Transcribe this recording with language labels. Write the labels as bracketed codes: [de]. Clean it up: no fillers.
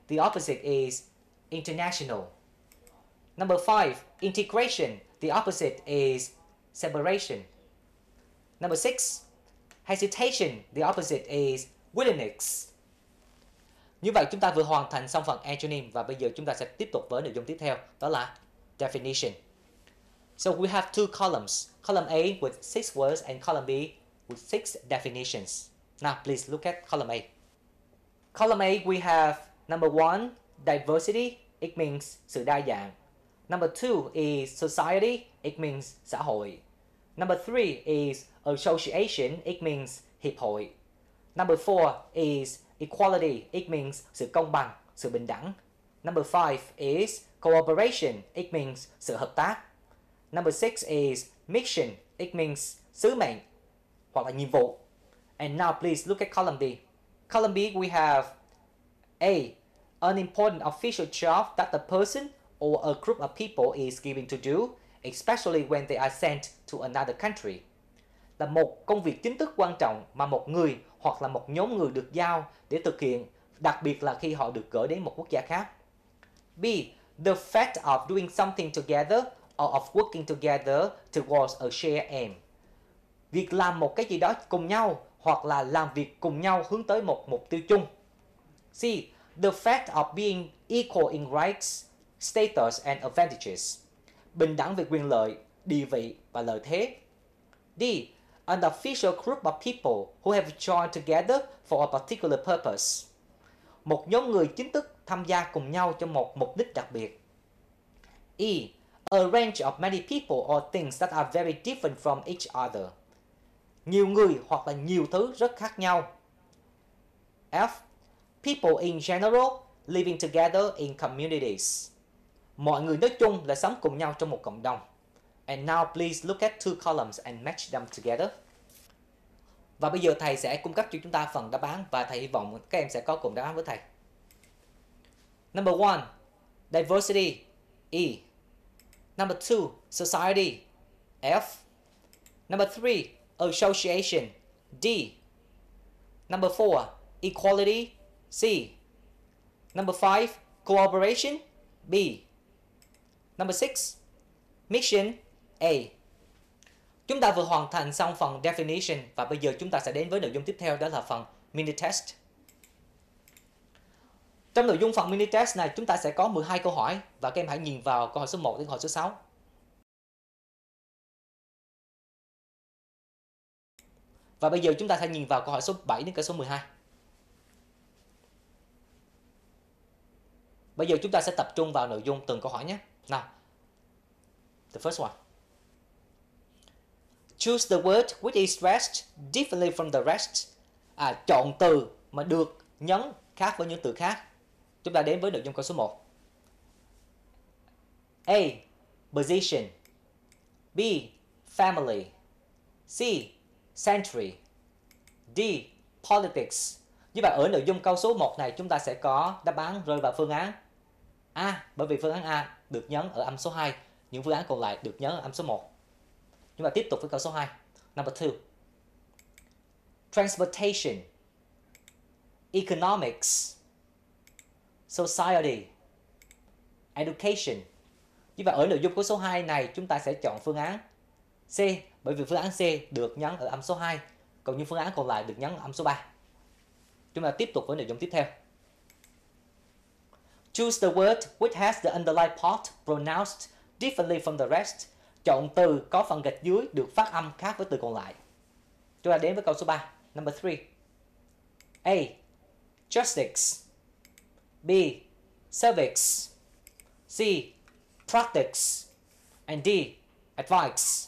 [en] The opposite is international. Number 5, integration. The opposite is separation. Number 6, hesitation. The opposite is willingness. [vi] Như vậy chúng ta vừa hoàn thành xong phần antonym và bây giờ chúng ta sẽ tiếp tục với nội dung tiếp theo, đó là definition. [en] So we have two columns, column A with 6 words and column B with 6 definitions. Now please look at column A. Column A we have number 1, diversity, it means [vi] sự đa dạng. [en] Number 2 is society, it means [vi] xã hội. [en] Number three is association, it means [vi] hiệp hội. [en] Number four is equality, it means [vi] sự công bằng, sự bình đẳng. [en] Number five is cooperation, it means [vi] sự hợp tác. [en] Number six is mission, it means [vi] sứ mệnh, hoặc là nhiệm vụ. [en] And now please look at column B. Column B, we have A, an important official job that the person or a group of people is given to do, especially when they are sent to another country. [vi] Là một công việc chính thức quan trọng mà một người hoặc là một nhóm người được giao để thực hiện, đặc biệt là khi họ được gửi đến một quốc gia khác. [en] B, the fact of doing something together or of working together towards a shared aim. [vi] Việc làm một cái gì đó cùng nhau hoặc là làm việc cùng nhau hướng tới một mục tiêu chung. [en] C, the fact of being equal in rights, status and advantages. [vi] Bình đẳng về quyền lợi, địa vị và lợi thế. [en] D, an official group of people who have joined together for a particular purpose. [vi] Một nhóm người chính thức tham gia cùng nhau cho một mục đích đặc biệt. [en] E, a range of many people or things that are very different from each other. [vi] Nhiều người hoặc là nhiều thứ rất khác nhau. [en] F, people in general living together in communities. [vi] Mọi người nói chung là sống cùng nhau trong một cộng đồng. [en] And now please look at two columns and match them together. [vi] Và bây giờ thầy sẽ cung cấp cho chúng ta phần đáp án và thầy hy vọng các em sẽ có cùng đáp án với thầy. Number one, diversity, E. Number two, society, F. Number three, association, D. Number four, equality, C. Number five, cooperation, B. Number six, mission, A. Chúng ta vừa hoàn thành xong phần definition và bây giờ chúng ta sẽ đến với nội dung tiếp theo, đó là phần mini test. Trong nội dung phần mini test này, chúng ta sẽ có 12 câu hỏi và các em hãy nhìn vào câu hỏi số 1 đến câu hỏi số 6. Và bây giờ chúng ta sẽ nhìn vào câu hỏi số 7 đến câu số 12. Bây giờ chúng ta sẽ tập trung vào nội dung từng câu hỏi nhé. Nào, [en] the first one. Choose the word which is stressed differently from the rest. [vi] À, chọn từ mà được nhấn khác với những từ khác. Chúng ta đến với nội dung câu số 1. [en] A. Position. B. Family. C. Century. D. Politics. [vi] Như vậy ở nội dung câu số 1 này chúng ta sẽ có đáp án rơi vào phương án A, bởi vì phương án A được nhấn ở âm số 2, những phương án còn lại được nhấn ở âm số 1. Chúng ta tiếp tục với câu số 2. [en] Number 2. Transportation. Economics. Society. Education. [vi] Như vậy ở nội dung câu số 2 này chúng ta sẽ chọn phương án C, bởi vì phương án C được nhấn ở âm số 2, còn những phương án còn lại được nhấn ở âm số 3. Chúng ta tiếp tục với nội dung tiếp theo. [en] Choose the word which has the underlying part pronounced differently from the rest. [vi] Chọn từ có phần gạch dưới được phát âm khác với từ còn lại. Chúng ta đến với câu số 3. [en] Number 3. A. Justice. B. Civics. C. Practice. And D. Advice.